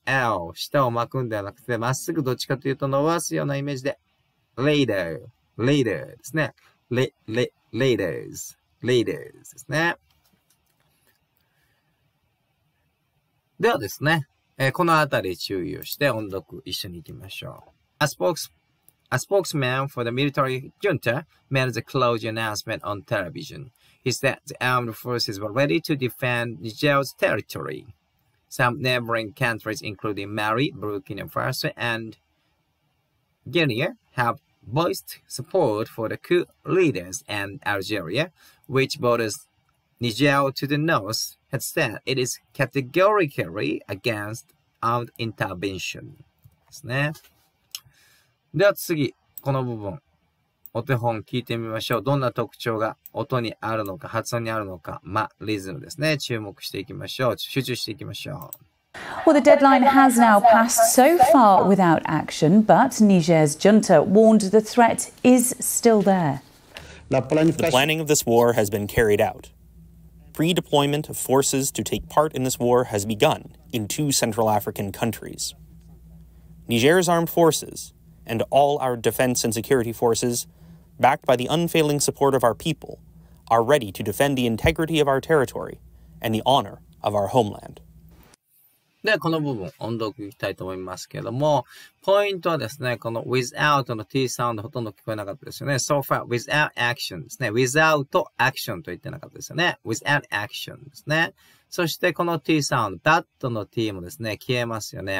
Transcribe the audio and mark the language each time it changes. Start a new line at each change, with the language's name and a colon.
Japanese: L、舌を巻くんではなくて、まっすぐどっちかというと伸ばすようなイメージで、Later、Later ですね。 Leaders, leaders ですね。ではですね、このあたり注意をして音読一緒に行きましょう。
English: A spokesman for the military junta made the closing announcement on television. He said the armed forces were ready to defend Niger's territory. Some neighboring countries, including Mali, Burkina Faso, and Guinea, have voiced support for the coup leaders, and Algeria, which borders Niger to the north, had said it is categorically against armed intervention.
Japanese: ですね。では次、この部分、お手本聞いてみましょう。どんな特徴が音にあるのか、発音にあるのか、ま、リズムですね。注目していきましょう。集中していきましょう。
English: Well, the deadline has now passed so far without action, but Niger's junta warned the threat is still there. The planning of this war has been carried out. Pre-deployment of forces to take part in this war has begun in two Central African countries. Niger's armed forces and all our defense and security forces, backed by the unfailing support of our people, are ready to defend the integrity of our territory and the honor of our homeland.
Japanese: では、この部分、音読いきたいと思いますけれども、ポイントはですね、この without の T サウンドほとんど聞こえなかったですよね。
English: So far, without action
Japanese: ですね。without action と言ってなかったですよね。 without action ですね。そして、この T サウンド、bat の T もですね、消えますよね。